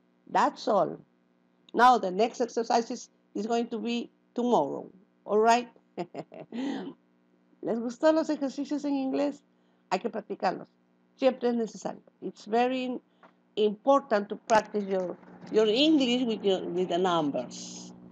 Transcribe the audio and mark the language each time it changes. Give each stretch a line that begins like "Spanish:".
English: That's all. Now, the next exercise is going to be tomorrow, all right?
Spanish: ¿Les gustó los ejercicios en inglés? Hay que practicarlos. Siempre es necesario.
English: It's very important to practice your English with the numbers.